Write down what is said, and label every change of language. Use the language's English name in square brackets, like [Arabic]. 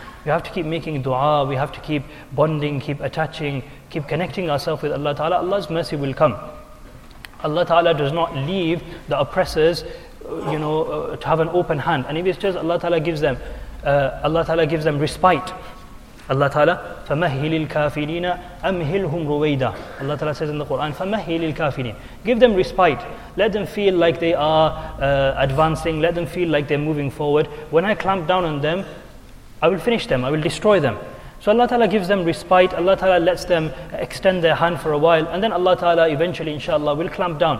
[English] We have to keep making dua, we have to keep bonding, keep attaching, keep connecting ourselves with Allah Ta'ala, Allah's mercy will come. Allah Ta'ala does not leave the oppressors, to have an open hand. And if it's just Allah Ta'ala gives them respite. [Arabic] Allah Ta'ala, فَمَهِّلِ الْكَافِرِينَ أَمْهِلْهُمْ رُوَيْدَ. [English] Allah Ta'ala says in the Qur'an, [Arabic] فَمَهِّلِ الْكَافِرِينَ. [English] Give them respite. Let them feel like they are advancing, let them feel like they're moving forward. When I clamp down on them, I will finish them, I will destroy them. So Allah Ta'ala gives them respite, Allah Ta'ala lets them extend their hand for a while, and then Allah Ta'ala eventually inshallah will clamp down.